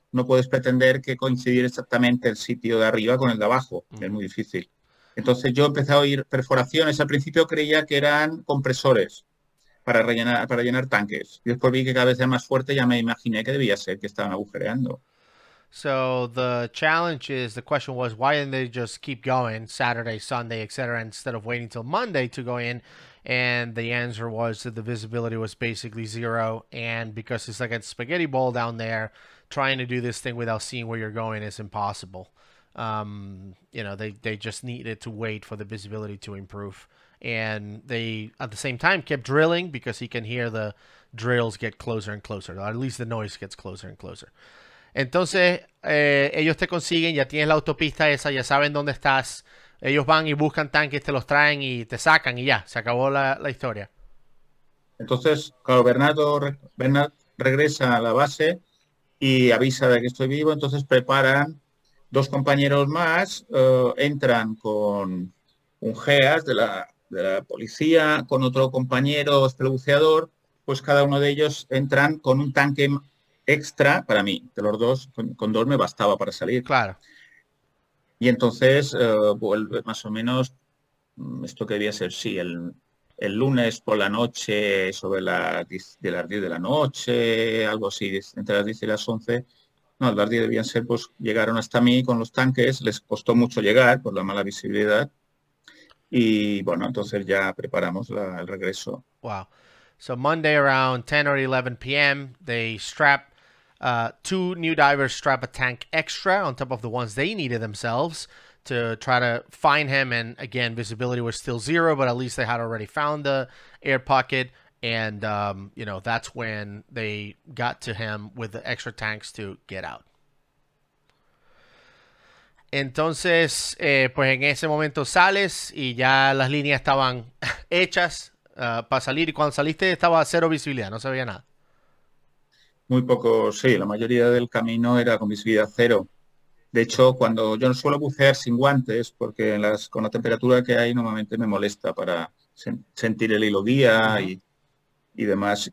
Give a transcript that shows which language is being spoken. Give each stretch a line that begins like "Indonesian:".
Spanish: No puedes pretender que coincidiera exactamente el sitio de arriba con el de abajo. Mm-hmm. Es muy difícil. Entonces yo empecé a oír perforaciones. Al principio creía que eran compresores para llenar tanques. Y después vi que cada vez era más fuerte y ya me imaginé que debía ser que estaban agujereando.
English: So the challenge is, the question was, why didn't they just keep going Saturday, Sunday, etc., instead of waiting till Monday to go in? And the answer was that the visibility was basically zero. And because it's like a spaghetti ball down there, trying to do this thing without seeing where you're going is impossible. You know, they just needed to wait for the visibility to improve. And they, at the same time, kept drilling because he can hear the drills get closer and closer. Or at least the noise gets closer and closer.
Spanish: Entonces, ellos te consiguen, ya tienes la autopista esa, ya saben dónde estás. Ellos van y buscan tanques, te los traen y te sacan y ya, se acabó la historia. Entonces, claro, Bernard regresa a la base y avisa de que estoy vivo. Entonces preparan dos compañeros más, entran con un GEAS de la policía, con otro compañero espelbuceador, pues cada uno de ellos entran con un tanque extra para mí. De los dos, con dos me bastaba para salir. Claro. Y entonces vuelve más o menos, esto que debía ser, sí, el lunes por la noche, sobre las 10 de la noche, algo así, entre las 10 y las 11. No, las 10 debían ser, pues llegaron hasta mí con los tanques. Les costó mucho llegar por la mala visibilidad. Y bueno, entonces ya preparamos el regreso.
English: Wow. So Monday around 10 or 11 p.m., they strap, two new divers strap a tank extra on top of the ones they needed themselves to try to find him. And again, visibility was still zero, but at least they had already found the air pocket. And, you know, that's when they got to him with the extra tanks to get out.
Spanish: Entonces, pues en ese momento sales y ya las líneas estaban hechas para salir. Y cuando saliste estaba cero visibilidad, no se veía nada. Muy poco, sí. La mayoría del camino era con visibilidad cero. De hecho, cuando yo no suelo bucear sin guantes, porque con la temperatura que hay normalmente me molesta para sentir el hilo guía y demás.